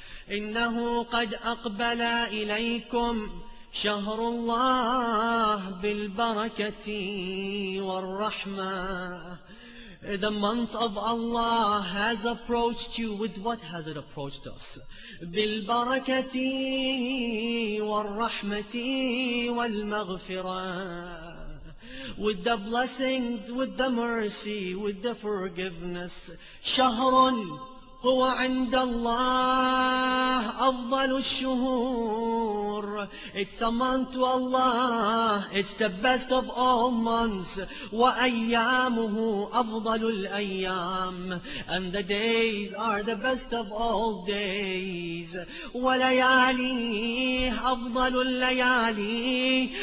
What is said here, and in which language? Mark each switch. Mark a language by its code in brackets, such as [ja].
[ar] إنه قد أقبل إليكم شهر الله بالبركة والرحمة. [en] The month of Allah has approached you. With what has it approached us? [ar] بالبركة والرحمة والمغفرة. [en] With the blessings, with the mercy, with the forgiveness. [ar] شهر هو عند الله أفضل الشهور. [en] It's a month to Allah, it's the best of all months. [ar] وأيامه أفضل الأيام. [en] And the days are the best of all days. [ar] ولياليه أفضل الليالي.